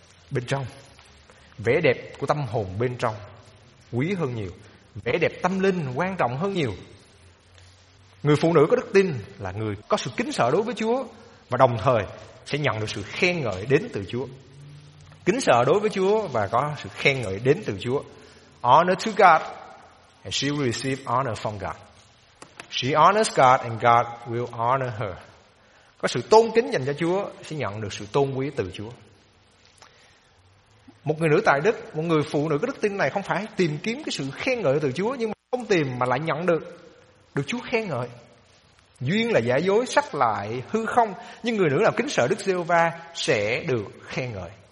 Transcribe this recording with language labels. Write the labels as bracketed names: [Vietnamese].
[Vietnamese] Bên trong, vẻ đẹp của tâm hồn bên trong quý hơn nhiều. Vẻ đẹp tâm linh quan trọng hơn nhiều. Người phụ nữ có đức tin là người có sự kính sợ đối với Chúa, và đồng thời sẽ nhận được sự khen ngợi đến từ Chúa. Kính sợ đối với Chúa và có sự khen ngợi đến từ Chúa. [English] Honor to God and she will receive honor from God. She honors God and God will honor her. [Vietnamese] Có sự tôn kính dành cho Chúa sẽ nhận được sự tôn quý từ Chúa. Một người nữ tài đức, một người phụ nữ có đức tin này không phải tìm kiếm cái sự khen ngợi từ Chúa, nhưng mà không tìm mà lại nhận được, được Chúa khen ngợi. Duyên là giả dối, sắc lại hư không, nhưng người nữ nào kính sợ Đức Giê-hô-va sẽ được khen ngợi.